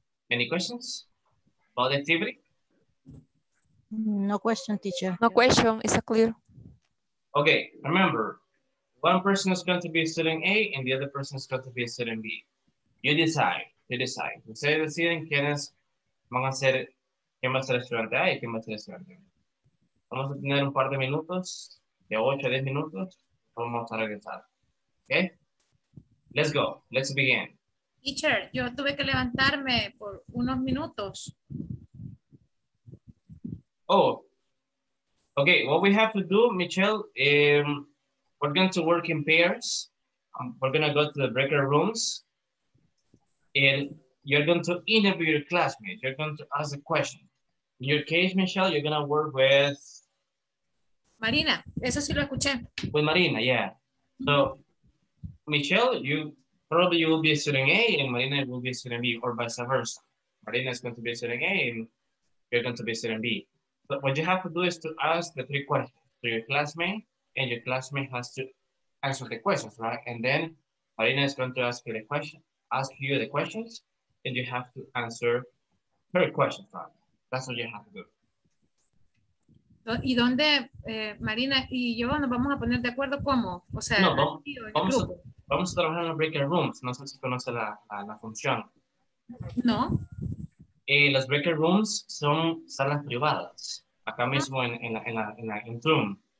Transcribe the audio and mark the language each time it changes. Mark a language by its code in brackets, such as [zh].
[en] Any questions about the activity? No question, teacher. No question. Is that clear? Okay. Remember, one person is going to be student A and the other person is going to be student B. You decide. You decide. [es] Ustedes deciden quiénes van a ser, quién va a ser estudiante A y quién va a ser estudiante B. Vamos a tener un par de minutos, de 8 a 10 minutos. Vamos a regresar. [en] Okay. Let's go. Let's begin. [es] Teacher, yo tuve que levantarme por unos minutos. [en] Oh, okay. What we have to do, Michelle, we're going to work in pairs. We're going to go to the breakout rooms. And you're going to interview your classmates. You're going to ask a question. In your case, Michelle, you're going to work with... [es] Marina. Eso sí lo escuché. [en] With Marina, yeah. So... Michelle, you probably you will be student A and Marina will be student B or vice versa. Marina is going to be student A and you're going to be student B. But what you have to do is to ask the three questions to your classmate and your classmate has to answer the questions, right? And then Marina is going to ask you the question, ask you the questions and you have to answer her questions, right? That's what you have to do. [es] ¿Y dónde, Marina y yo nos vamos a poner de acuerdo cómo? O sea, no, vamos a trabajar en los breakout rooms. No sé si conoce la función. No. Las breakout rooms son salas privadas. Acá mismo en Zoom.